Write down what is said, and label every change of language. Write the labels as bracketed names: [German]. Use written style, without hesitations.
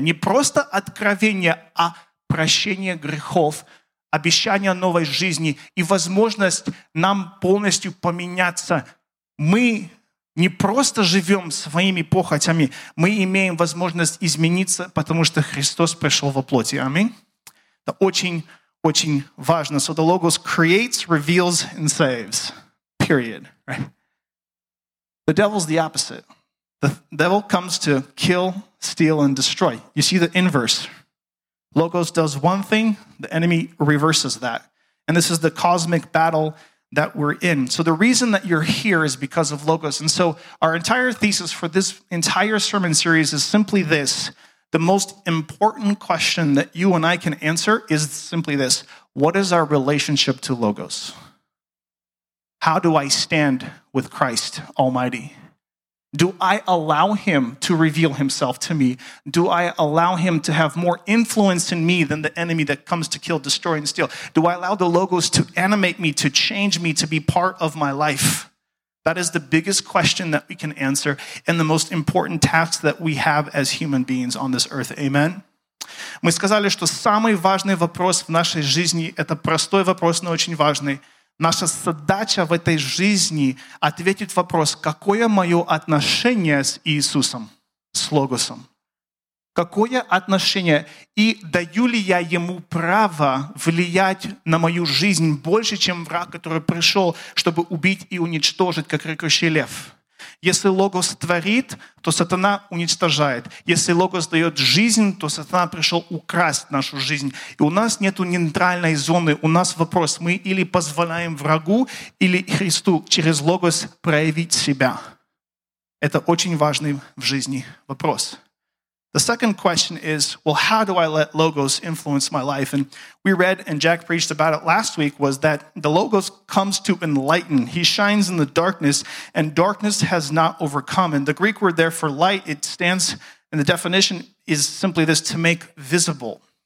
[Russian] Не просто откровение, а прощение грехов, обещание новой жизни и возможность нам полностью поменяться. Мы не просто живем своими похотями, мы имеем возможность измениться, потому что Христос пришел во плоти. Аминь. Это очень очень важно. [English] So the Logos creates, reveals, and saves. Period. Right? The devil's the opposite. The devil comes to kill, steal, and destroy. You see the inverse. Logos does one thing, the enemy reverses that. And this is the cosmic battle that we're in. So the reason that you're here is because of Logos. And so our entire thesis for this entire sermon series is simply this. The most important question that you and I can answer is simply this. What is our relationship to Logos? How do I stand with Christ Almighty? Do I allow him to reveal himself to me? Do I allow him to have more influence in me than the enemy that comes to kill, destroy, and steal? Do I allow the Logos to animate me, to change me, to be part of my life? That is the biggest question that we can answer and the most important task that we have as human beings on this earth. Amen? [Russian] Мы сказали, что самый важный вопрос в нашей жизни – это простой вопрос, но очень важный. Наша задача в этой жизни – ответить вопрос, какое мое отношение с Иисусом, с Логосом? Какое отношение? И даю ли я ему право влиять на мою жизнь больше, чем враг, который пришел, чтобы убить и уничтожить, как рыкающий лев? Если Логос творит, то сатана уничтожает. Если Логос дает жизнь, то сатана пришел украсть нашу жизнь. И у нас нет нейтральной зоны. У нас вопрос, мы или позволяем врагу, или Христу через Логос проявить себя. Это очень важный в жизни вопрос. [English] The second question is, well, how do I let logos influence my life? And we read, and Jack preached about it last week, was that the logos comes to enlighten. He shines in the darkness, and darkness has not overcome. And the Greek word there for light, it stands, and the definition is simply this, to make visible.